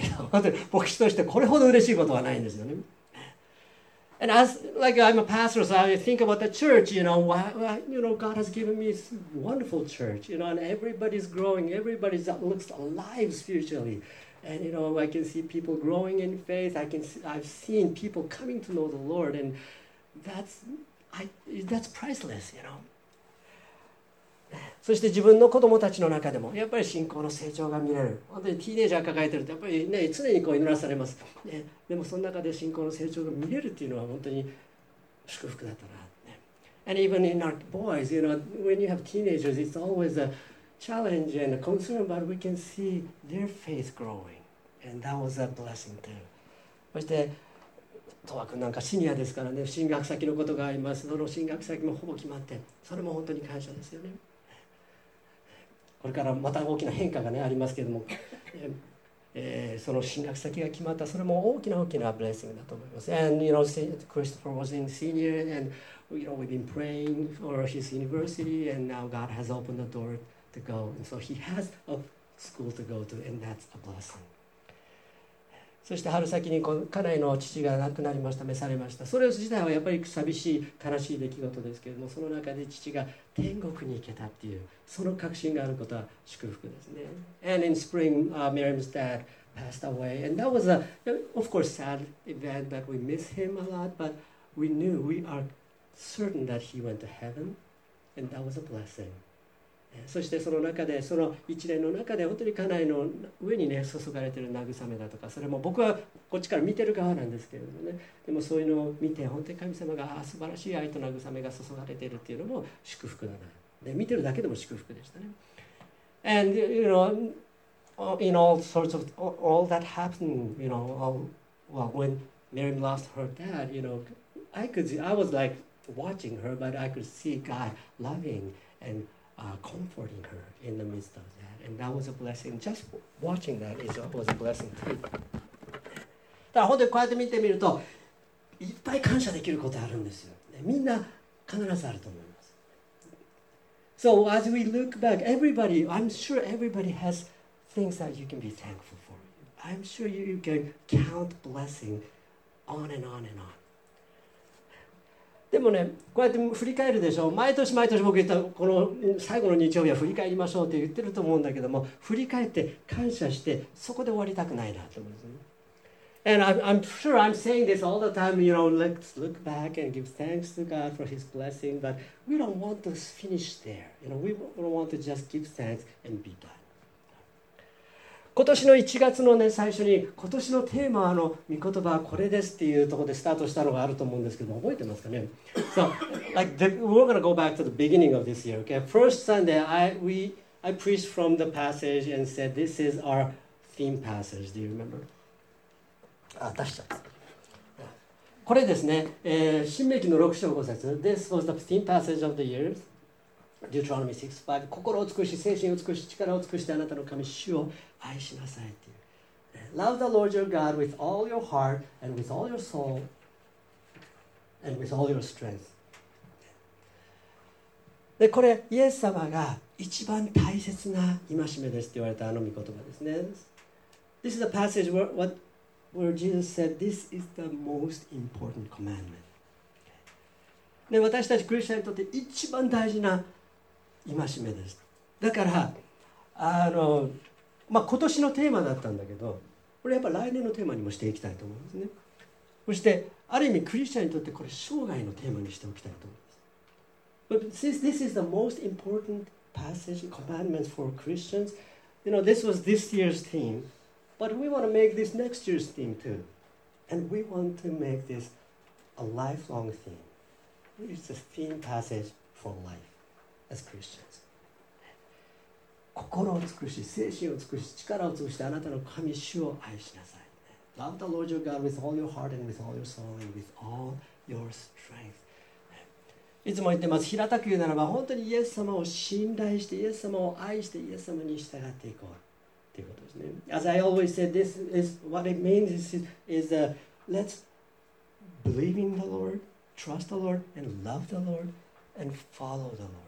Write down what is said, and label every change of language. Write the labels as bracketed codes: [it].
[ja] 本当に牧師としてこれほど嬉しいことはないんですよね。 [en] And as like I'm a pastor, so I think about the church. You know, why, you know, God has given me this wonderful church. You know, and everybody's growing. Everybody looks alive spiritually, and you know, I can see people growing in faith. I've seen people coming to know the Lord, and that's priceless. You know. [ja] そして自分の子供たちの中でもやっぱり信仰の成長が見れる。本当にティーネージャー抱えてるとやっぱりね、常にこう祈らされます、ね、でもその中で信仰の成長が見れるっていうのは本当に祝福だったな、ね、 [en] And even in our boys, you know, when you have teenagers, it's always a challenge and a concern, but we can see their faith growing, and that was a blessing too. [ja] そしてトワ君なんかシニアですからね、進学先のことがあります。その進学先もほぼ決まって、それも本当に感謝ですよね。これからまた大きな変化が、ね、ありますけれども、その進学先が決まった、それも大きな大きなブレッシングだと思います。 [en] And you know, Christopher was in senior, and you know, we've been praying for his university, and now God has opened the door to go, and so he has a school to go to, and that's a blessing. [ja] そして春先に家内の父が亡くなりました、召されました。それ自体はやっぱり寂しい悲しい出来事ですけれども、その中で父が天国に行けたっていう、その確信があることは祝福ですね。 [en] And in spring, Miriam's dad passed away, and that was a, of course, sad event that we miss him a lot, but we knew, we are certain that he went to heaven, and that was a blessing. [ja] そしてその中でその一連の中で本当に家内の上にね注がれている慰めだとか、それも僕はこっちから見てる側なんですけれどもね、でもそういうのを見て本当に神様が素晴らしい愛と慰めが注がれているっていうのも祝福だな、で見てるだけでも祝福でしたね。 [en] And you know in all sorts of all that happened, you know, all, well, when Mary lost her dad, you know, I was like watching her, but I could see God loving andcomforting her in the midst of that, and that was a blessing. Just watching that is was a blessing too. [ja] だから本当にこうやって見てみると、いっぱい感謝できることあるんですよ。みんな必ずあると思います。 [en] So as we look back, everybody, I'm sure everybody has things that you can be thankful for. I'm sure you can count blessing on and on and on. [ja] でもね、こうやって振り返るでしょ。毎年毎年僕言ったこの最後の日曜日は振り返りましょうって言ってると思うんだけども、振り返って感謝してそこで終わりたくないなと思うんですね。 [en] And I'm sure I'm saying this all the time, you know, let's look back and give thanks to God for His blessing, but we don't want to finish there. You know, we don't want to just give thanks and be done. [ja] 今年の1月のね、最初に今年のテーマの御言葉はこれですっていうところでスタートしたのがあると思うんですけども、覚えてますかね。 [en] So, like, we're going to go back to the beginning of this year, okay? First Sunday, I preached from the passage and said, this is our theme passage. Do you remember? [ja] あ、出しちゃった。これですね、新明記の6章5節。 [en] This was the theme passage of the year. [ja] Deuteronomy 6:5, 心を尽くし、精神を尽くし、力を尽くしてあなたの神、主を愛しなさいっていう。 [en] Love the Lord your God with all your heart and with all your soul and with all your strength. [ja] で、これ、イエス様が一番大切な戒めですって言われたあの御言葉ですね。 This is a passage where Jesus said, this is the most important commandment. で、私たちクリスチャンにとって一番大事な戒めです。だから、今年のテーマだったんだけど、これやっぱ来年のテーマにもしていきたいと思うんですね。そして、ある意味クリスチャンにとってこれ生涯のテーマにしておきたいと思います。 [en] But since this is the most important passage, commandment for Christians, you know, this was this year's theme, but we want to make this next year's theme too. And we want to make this a lifelong theme. It's a theme passage for life. As Christians. [ja] 心を尽くし、精神を尽くし、力を尽くしてあなたの神主を愛しなさい。 [en] Love the Lord your God with all your heart and with all your soul and with all your strength. [ja] いつも言ってます。平たく言うならば、本当にイエス様を信頼して、イエス様を愛して、イエス様に従っていこうということですね。 [en] As I always said, this is what it means. This is let's believe in the Lord, trust the Lord, and love the Lord, and follow the Lord.